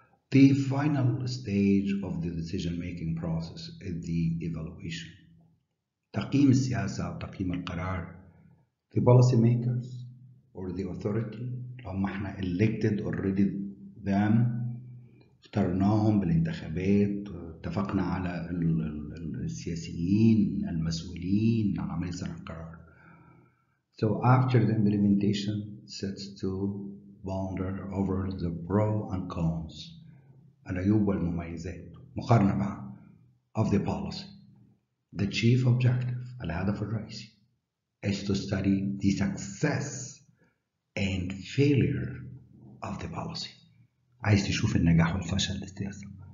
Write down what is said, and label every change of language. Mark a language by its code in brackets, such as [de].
[en] The final stage of the decision-making process is the evaluation. [ar] تقييم السياسة أو تقييم القرار. [en] The policy makers or the authority, [ar] لهم احنا [en] elected already them, [ar] اخترناهم بالانتخابات, اتفقنا على السياسيين المسؤولين عن عملية صنع القرار. [en] So after the implementation sets to ponder over the pros and cons, [ar] العيوب والمميزات, مقارنة مع [en] of the policy. The chief objective, [ar] الهدف الرئيسي, [en] is to study the success and failure of the policy. [ar] عايز تشوف النجاح والفشل للسياسة.